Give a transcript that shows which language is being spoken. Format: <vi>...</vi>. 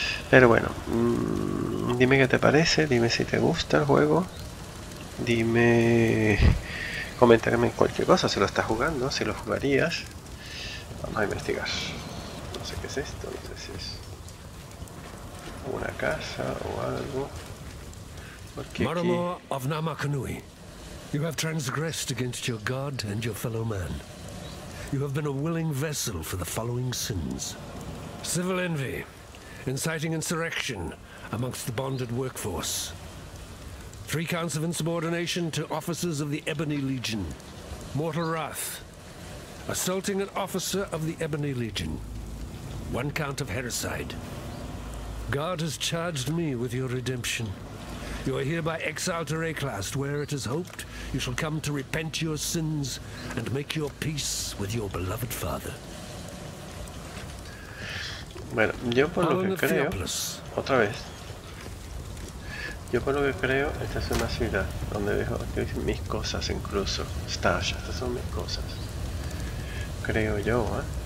<es>Pero bueno, dime qué te parece, dime si te gusta el juego. Dime, coméntame cualquier cosa, si lo estás jugando, si lo jugarías. Vamos a investigar. No sé qué es esto, no sé si es una casa o algo. Porque aquí.</es> <en>Marmor of Namakanui. You have transgressed against your god and your fellow man. You have been a willing vessel for the following sins: civil envy, inciting insurrection amongst the bonded workforce, 3 counts of insubordination to officers of the Ebony Legion, mortal wrath, assaulting an officer of the Ebony Legion, 1 count of heresy. God has charged me with your redemption. You are hereby exiled to Rayclast, where it is hoped you shall come to repent your sins and make your peace with your beloved father.</en> <es>Bueno, yo por lo que creo, otra vez, esta es una ciudad donde dejo mis cosas incluso, Stasha, estas son mis cosas, creo yo, ¿eh?</es>